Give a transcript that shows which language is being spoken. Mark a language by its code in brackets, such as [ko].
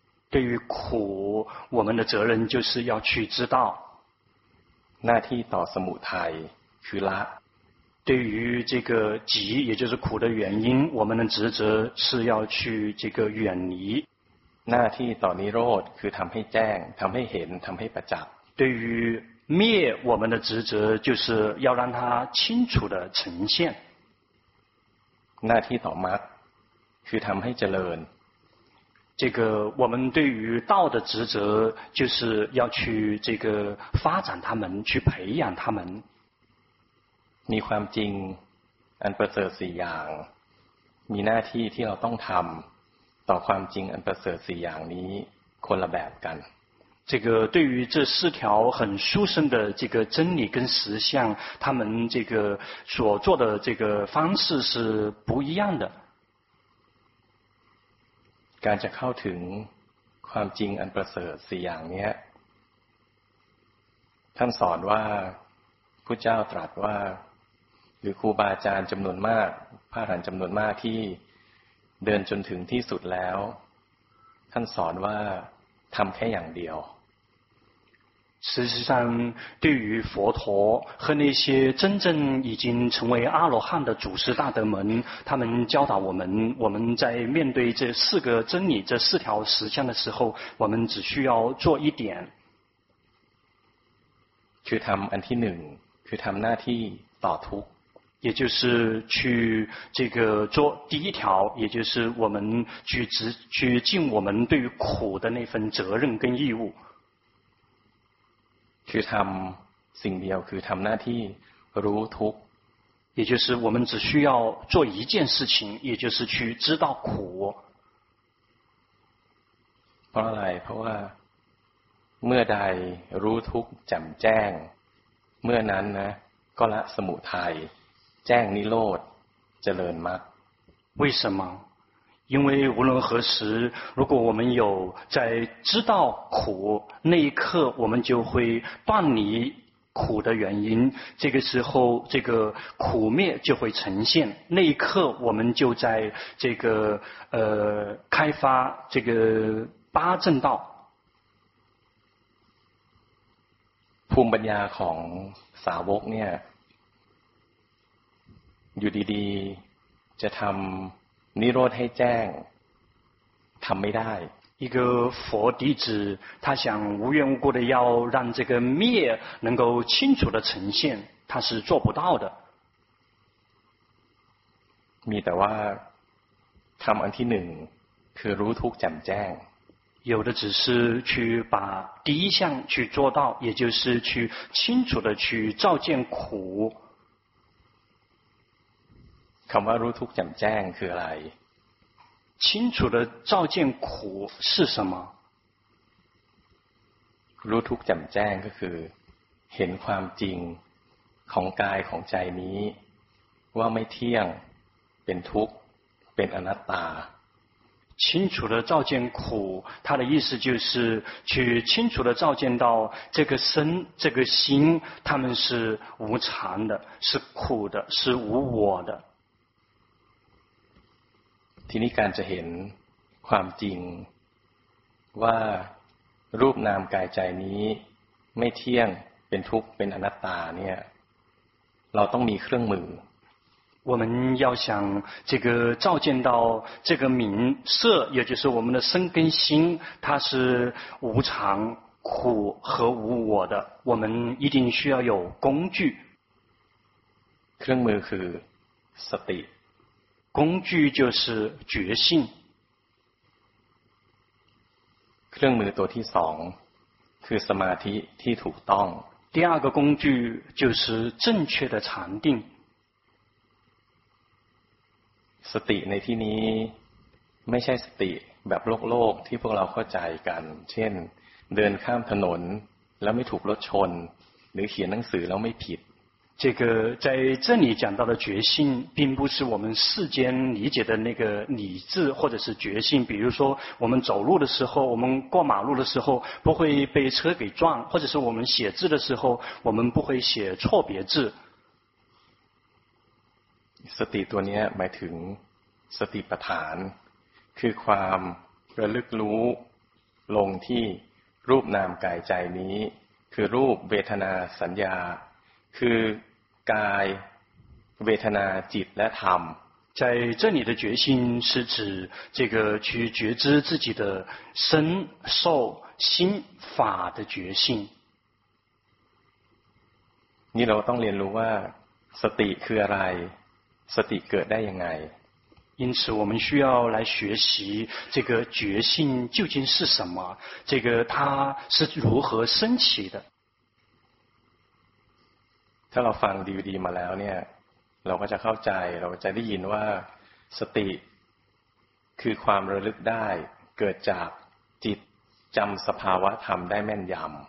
[zh] 对于苦我们的责任就是要去知道 [th] 那ที่ต่อสมุทัยคือละ [zh] 对于这个集也就是苦的原因我们的职责是要去这个远离 [th] 那ที่ต่อนิโรธคือทำให้แจ้งทำให้เห็นทำให้ประจักษ์ [zh] 对于灭我们的职责就是要让它清楚的呈现 [th] 那ที่ต่อมรรคคือทำให้เจริญ [zh] 这个我们对于道的职责就是要去这个发展他们去培养他们 [th] มีความจริงอันประเสริฐสี่อย่างมีหน้าที่ที่เราต้องทำต่อความจริงอันประเสริฐสี่อย่างนี้คนละแบบกัน [zh] 这个对于这四条很殊胜的这个真理跟实相他们这个所做的这个方式是不一样的 [th] การจะเข้าถึงความจริงอันประเสริฐสี่อย่างนี้ท่านสอนว่าพุทธเจ้าตรัสว่าหรือครูบาอาจารย์จำนวนมากพระอรหันต์จำนวนมากที่เดินจนถึงที่สุดแล้วท่านสอนว่าทำแค่อย่างเดียว [zh] 事实上对于佛陀和那些真正已经成为阿罗汉的祖师大德们他们教导我们在面对这四个真理这四条实相的时候我们只需要做一点去他们安提宁去他们那提打图也就是去这个做第一条也就是我们去尽我们对于苦的那份责任跟义务 [th] คือทำสิ่งเดียวคือทำหน้าที่รู้ทุกข์ [zh] 也就是我们只需要做一件事情也就是去知道苦 [th] เพราะอะไรเพราะว่าเมื่อใดรู้ทุกข์แจ่มแจ้งเมื่อนั้นนะก็ละสมุทัยแจ้งนิโรธเจริญมรรค [zh] 为什么因为无论何时，如果我们有在知道苦，那一刻我们就会断离苦的原因，这个时候这个苦灭就会呈现，那一刻我们就在这个开发这个八正道。 [th] ภูมิปัญญาของสาวกเนี่ยอยู่ดีๆจะทำนิโรธให้แจ้งทำไม่ได้ [zh] 一个佛弟子他想无缘无故的要让这个灭能够清楚的呈现他是做不到的 [th] มีแต่ว่าทำอันที่หนึ่งคือรู้ทุกข์แจ่มแจ้ง [zh] 有的只是去把第一项去做到也就是去清楚的去照见苦 [th] คำว่ารู้ทุกข์แจ่มแจ้งคืออะไร [zh] 清楚的照见苦是什么 [th] รู้ทุกข์แจ่มแจ้งก็คือเห็นความจริงของกายของใจนี้ว่าไม่เที่ยงเป็นทุกข์เป็นอนัตตา [zh] 清楚的照见苦它的意思就是去清楚的照见到这个身这个心它们是无常的是苦的是无我的 [th] ทีนี้การจะเห็นความจริงว่ารูปนามกายใจนี้ไม่เที่ยงเป็นทุกข์เป็นอนัตตาเนี่ยเราต้องมีเครื่องมือ [zh] 我们要想这个照见到这个名色也就是我们的身跟心它是无常苦和无我的我们一定需要有工具 [th] เครื่องมือคือสติ [zh] 工具就是觉性 [th] เครื่องมือตัวที่สองคือสมาธิที่ถูกต้อง [zh] 第二个工具就是正确的禅定 [th] สติในที่นี้ไม่ใช่สติแบบโลกๆที่พวกเราเข้าใจกันเช่นเดินข้ามถนนแล้วไม่ถูกรถชนหรือเขียนหนังสือแล้วไม่ผิด [zh] 这个在这里讲到的觉性并不是我们世间理解的那个理智或者是觉性比如说我们走路的时候我们过马路的时候不会被车给撞或者是我们写字的时候我们不会写错别字 [th] สติตัวนี้หมายถึงสติปัฏฐานคือความระลึกรู้ลงที่รูปนามกายใจนี้คือรูปเวทนาสัญญาคือกายเวทนาจิตและธรรม [zh] 在这里的觉心是指这个去觉知自己的身受心法的觉性 [th] นี่เราต้องเรียนรู้ว่าสติคืออะไรสติเกิดได้ยังไง [zh] 因此我们需要来学习这个觉性究竟是什么这个它是如何升起的 [th] ถ้าเราฟังดีๆมาแล้วเนี่ยเราก็จะเข้าใจเราจะได้ยินว่าสติคือความระลึกได้เกิดจากจิตจำสภาวะธรรมได้แม่นยำ